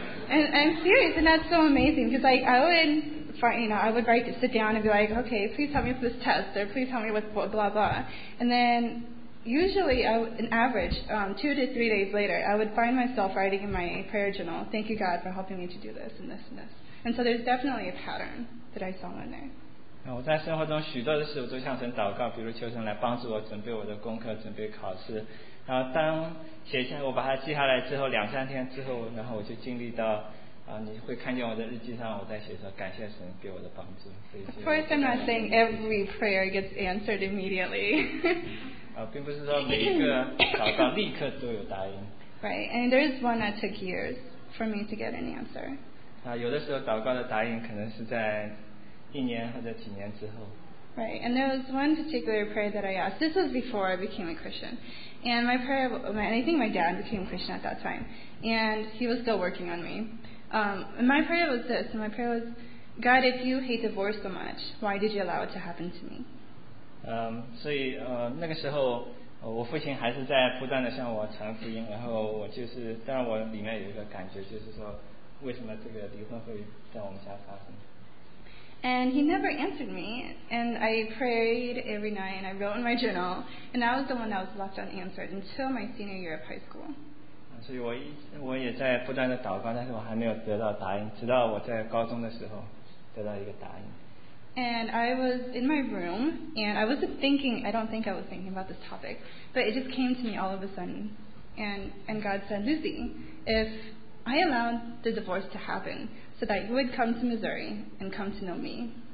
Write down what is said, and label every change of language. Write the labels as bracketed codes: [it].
[en] And I'm serious, and that's so amazing because, like, I would. I would write to sit down and be like, okay, please help me with this test, or please help me with blah, blah, blah. And then usually, an average, 2 to 3 days later, I would find myself writing in my prayer journal, thank you, God, for helping me to do this and this and this. And so there's definitely a pattern that I saw in there. [zh] 我在生活中许多的事我都向神祷告，比如求神来帮助我准备我的功课，准备考试。然后当写下我把它记下来之后，两三天之后，然后我就经历到你会看见我的日记上，我在写说感谢神给我的帮助。 [en] Of course, I'm not saying every prayer gets answered immediately. [zh] 并不是说每一个祷告立刻都有答应。 [en] Right, and there is one that took years for me to get an answer. [zh] 有的时候祷告的答应可能是在一年或者几年之后。 [en] Right, and there was one particular prayer that I asked. This was before I became a Christian. And my prayer, and I think my dad became Christian at that time. And he was still working on me. And my prayer was this. And my prayer was, God, if you hate divorce so much, why did you allow it to happen to me? [zh] 那个时候我父亲还是在不断地向我传福音，然后我就是，当然我里面有一个感觉，就是说为什么这个离婚会在我们家发生。 [en] And he never answered me, and I prayed every night, and I wrote in my journal, and I was the one that was left unanswered until my senior year of high school. [zh] 所以我也在不断的祷告，但是我还没有得到答应，直到我在高中的时候得到一个答应。 [en] And I was in my room, and I wasn't thinking, I don't think I was thinking about this topic, but it just came to me all of a sudden, and God said, Lucy, if I allowed the divorce to happen, so that you would come to Missouri and come to know me.